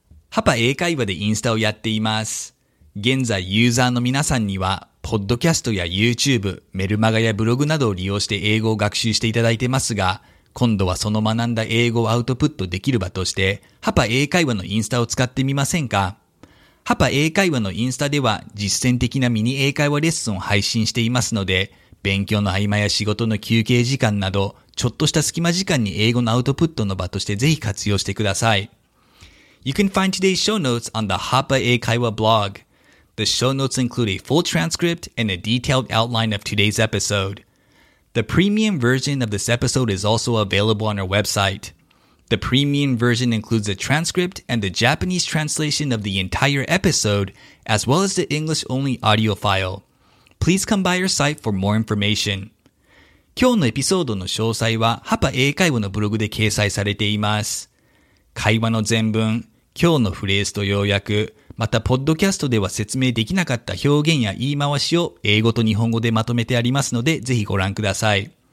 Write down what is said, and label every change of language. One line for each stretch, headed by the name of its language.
Japanese: ハパ英会話でインスタをやっています。現在ユーザーの皆さんには、ポッドキャストや YouTube、メルマガやブログなどを利用して英語を学習していただいてますが、今度はその学んだ英語をアウトプットできる場として、ハパ英会話のインスタを使ってみませんか？ハパ英会話のインスタでは実践的なミニ英会話レッスンを配信していますので、勉強の合間や仕事の休憩時間など、ちょっとした隙間時間に英語のアウトプットの場としてぜひ活用してください。
English: You can find today's show notes on the Hapa 英会話 blog. The show notes include a full transcript and a detailed outline of today's episode. The premium version of this episode is also available on our website. The premium version includes a transcript and the Japanese translation of the entire episode, as well as the English-only audio file. Please come by our site for more information.
Japanese: 今日のエピソードの詳細は、ハパ英会話のブログで掲載されています。会話の全文、今日のフレーズと要約、またポッドキャストでは説明できなかった表現や言い回しを英語と日本語でまとめてありますのでぜひご覧ください。